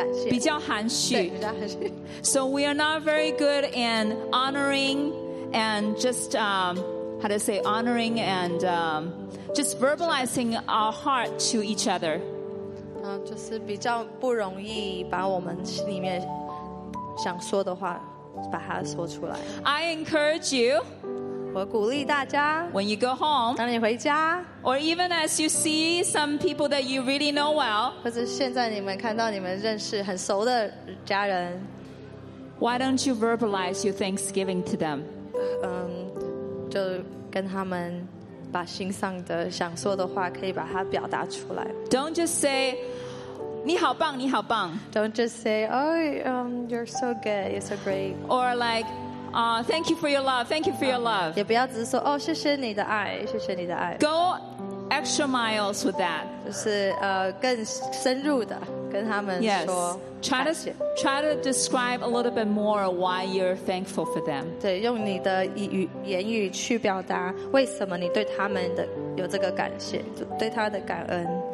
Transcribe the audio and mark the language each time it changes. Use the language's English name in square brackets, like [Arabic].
[Chinese] 比较含蓄 [English] So we are not very good in honoring and just honoring and just verbalizing our heart to each other. [Chinese] 就是比较不容易把我们里面想说的话把它说出来 [English] I encourage you. [Chinese] 我鼓励大家 [English] When you go home. [Chinese] 当你回家 [English] Or even as you see some people that you really know well, [Chinese] 或者现在你们看到你们认识很熟的家人 [English] why don't you verbalize your thanksgiving to them? [Chinese] 就跟他们把心上的想说的话可以把它表达出来 [English] Don't just say, [Chinese] 你好棒，你好棒 [English] Don't just say, you're so good, you're so great. Or like,thank you for your love. Thank you for your love. [Chinese] 也不要只是说哦，谢谢你的爱，谢谢你的爱。 [English] Go extra miles with that. [Chinese] 就是更深入的跟他们说。 [English] Yes. Try to describe a little bit more why you're thankful for them. [Chinese] 对，用你的言语去表达为什么你对他们的有这个感谢，对他的感恩。